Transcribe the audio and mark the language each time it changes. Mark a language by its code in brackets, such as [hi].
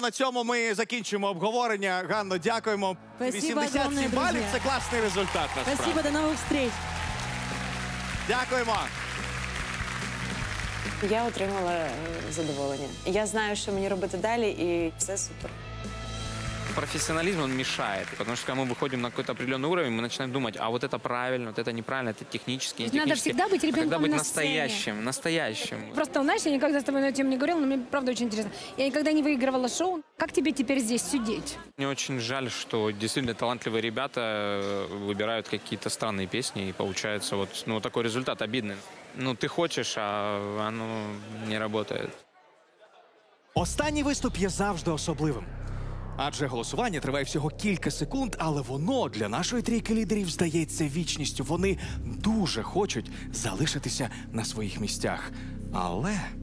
[uk] На цьому ми закінчуємо обговорення. Ганно, дякуємо. [ru] Спасибо, 87 огромное, [uk] балів [ru] друзья. [uk] Це класний результат. Насправді. Спасибо, до нових зустріч. Дякуємо. Я отримала задоволення. Я знаю, що мені робити далі, і все супер. [ru] Профессионализм, он мешает, потому что когда мы выходим на какой-то определенный уровень, мы начинаем думать, а вот это правильно, вот это неправильно, это технически, не технически. Надо всегда быть ребенком когда быть на настоящим, сцене. Настоящим. Просто, знаешь, я никогда с тобой на эту тему не говорила, но мне правда очень интересно. Я никогда не выигрывала шоу. Как тебе теперь здесь сидеть? Мне очень жаль, что действительно талантливые ребята выбирают какие-то странные песни, и получается вот, ну, такой результат обидный. Ну, ты хочешь, а оно не работает. [uk] Останній виступ є завжди особливим. Адже голосування триває всього кілька секунд, але воно для нашої трійки лідерів здається вічністю. Вони дуже хочуть залишитися на своїх місцях. Але...